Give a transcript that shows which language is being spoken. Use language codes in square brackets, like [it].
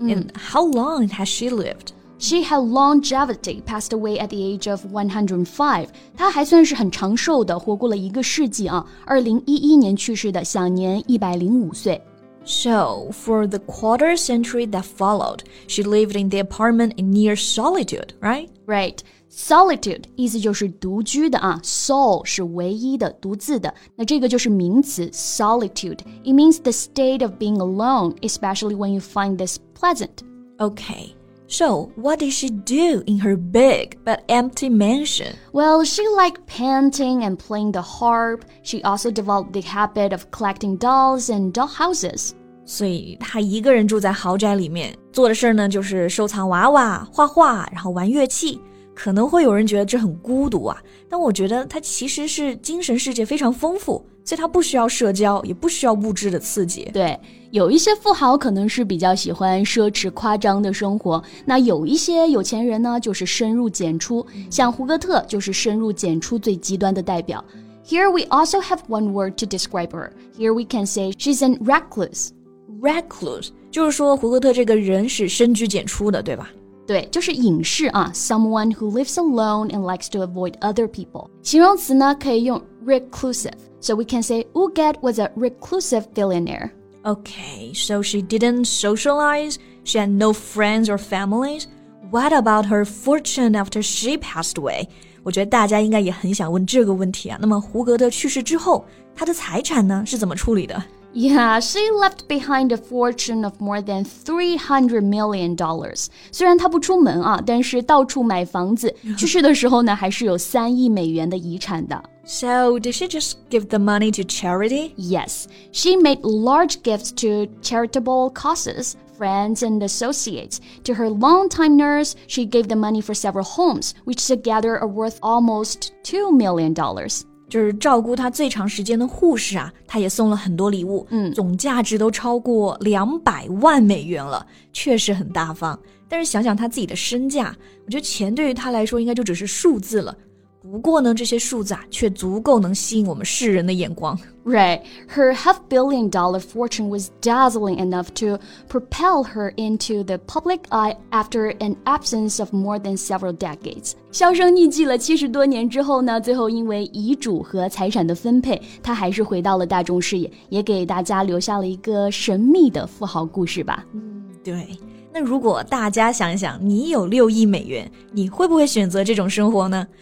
[en] And how long has she lived? She had longevity, passed away at the age of 105. [zh] 她还算是很长寿的，活过了一个世纪啊。 2011年去世的，享年105岁。 [en] So, for the quarter century that followed, she lived in the apartment in near solitude, right? Right. [zh] Solitude, 意思就是独居的啊。Sol 是唯一的，独自的。那这个就是名词 solitude. [en] It means the state of being alone, especially when you find this pleasant. Okay. So, what did she do in her big but empty mansion? Well, she liked painting and playing the harp. She also developed the habit of collecting dolls and dollhouses. [zh] 所以她一个人住在豪宅里面，做的事呢就是收藏娃娃、画画，然后玩乐器。可能会有人觉得这很孤独啊，但我觉得她其实是精神世界非常丰富。所以他不需要社交，也不需要物质的刺激。对，有一些富豪可能是比较喜欢奢侈夸张的生活，那有一些有钱人呢，就是深入简出，像胡格特就是深入简出最极端的代表。 [en] Here we also have one word to describe her. Here we can say she's an recluse. [zh] Recluse, 就是说胡格特这个人是深居简出的，对吧？对，就是隐士啊， [en] someone who lives alone and likes to avoid other people. [zh] 形容词呢，可以用reclusive. [en] So we can say Huguette was a reclusive billionaire. Okay, so she didn't socialize, she had no friends or families. What about her fortune after she passed away? [zh] 我觉得大家应该也很想问这个问题啊。那么胡格特去世之后，她的财产呢，是怎么处理的？ [en] Yeah, she left behind a fortune of more than $300 million. [zh] 虽然她不出门啊，但是到处买房子，去世的时候呢，还是有$3 million的遗产的。 [en] So, did she just give the money to charity? Yes. She made large gifts to charitable causes, friends and associates. To her longtime nurse, she gave the money for several homes, which together are worth almost $2 million. [zh] 就是照顾她最长时间的护士啊，她也送了很多礼物，总价值都超过$2 million了，确实很大方。但是想想她自己的身价，我觉得钱对于她来说应该就只是数字了。不过呢，这些数字啊，却足够能吸引我们世人的眼光。 [en] Right, her $500 million fortune was dazzling enough to propel her into the public eye after an absence of more than several decades. [zh] 销声匿迹了70多年之后呢，最后因为遗嘱和财产的分配，她还是回到了大众视野，也给大家留下了一个神秘的富豪故事吧。对。那如果大家想一想，你有$6 million，你会不会选择这种生活呢？